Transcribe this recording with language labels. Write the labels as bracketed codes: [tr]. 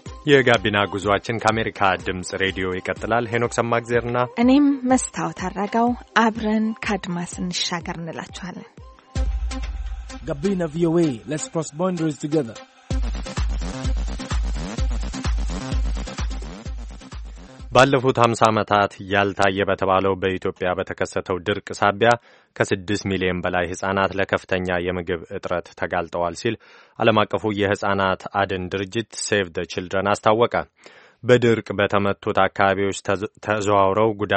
[am] የጋቢና ጉዟችን ከአሜሪካ ድምጽ ሬዲዮ ይቀጥላል። ሄኖክ ሰማግዜርና እኔም መስታወት አራጋው አብረን ካድማስ እንሻገር እንላችኋለን። [en] ጋቢና ቪኦኤ Let's cross boundaries together. [am] ባለፉት 50 አመታት ያልታየ በተባለው በኢትዮጵያ በተከሰተው ድርቅ ሳቢያ ከ6 ሚሊዮን በላይ ህጻናት ለከፍተኛ የምግብ እጥረት ተጋልጠዋል ሲል ዓለም አቀፉ የህጻናት አድን ድርጅት Save the Children አስታወቀ። በድርቅ በተመቱት አካባቢዎች ተዘዋውረው